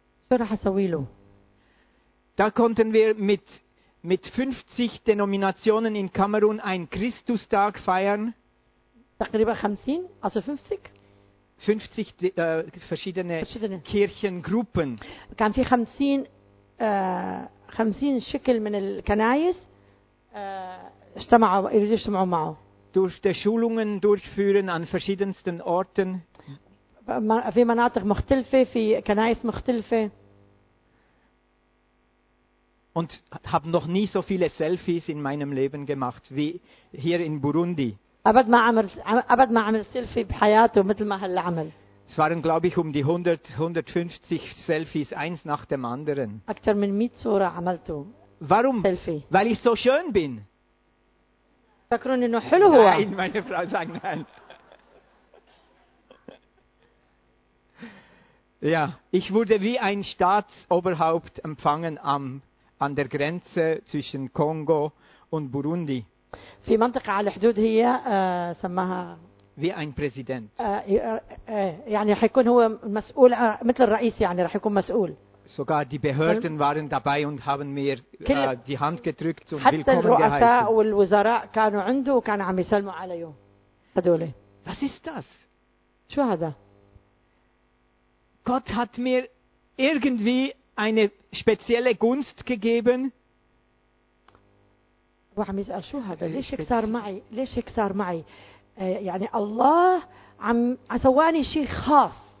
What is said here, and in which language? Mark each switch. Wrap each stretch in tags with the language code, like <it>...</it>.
<de>Da konnten wir mit 50 Denominationen in Kamerun einen Christustag feiern.</de> <ar>تقريبا 50 also 50</ar> <de>50 verschiedene Kirchengruppen.</de> <ar>كان في 50 50 شكل من الكنائس اجتمعوا يريدوا يجتمعوا معه.</ar> <de>Durch die Schulungen durchführen an verschiedensten Orten.</de> <ar>في مناطق مختلفة في كنائس مختلفة.</ar> <de>Und habe noch nie so viele Selfies in meinem Leben gemacht wie hier in Burundi.</de> <ar>أبد ما عمل سيلفي بحياته مثل ما هلا عمل.</ar> <de>Es waren glaube ich die 100 150 Selfies eins nach dem anderen.</de> <ar>أكثر من 100 صورة عملته.</ar> <de>Warum? Selfie. Weil ich so schön bin.</de> <ar>تذكرون إنه حلو هو.</ar> <de>Nein, meine Frau sagt nein. Ja, ich wurde wie ein Staatsoberhaupt empfangen am an der Grenze zwischen Kongo und Burundi.</de> <ar>في منطقة على الحدود هي سماها</ar> <de>wie ein Präsident.</de> <ar>يعني رح يكون هو مسؤول مثل الرئيس يعني رح يكون مسؤول.</ar> <de>Sogar die Behörden waren dabei und haben mir die Hand gedrückt und</de> <ar>حتى</ar> <de>willkommen</de> <ar>الرؤساء</ar> <de>geheißen.</de> <ar>والوزراء كانوا عنده وكانوا عم يسلموا عليه هذول.</ar> <de>Was ist das?</de> <ar>شو هذا؟</ar> <de>Gott hat mir irgendwie eine spezielle Gunst gegeben.</de> <ar>وعم يسأل شو هذا؟ ليش هيك صار معي؟ ليش هيك صار معي؟ يعني الله عم سواني شيء خاص.</ar>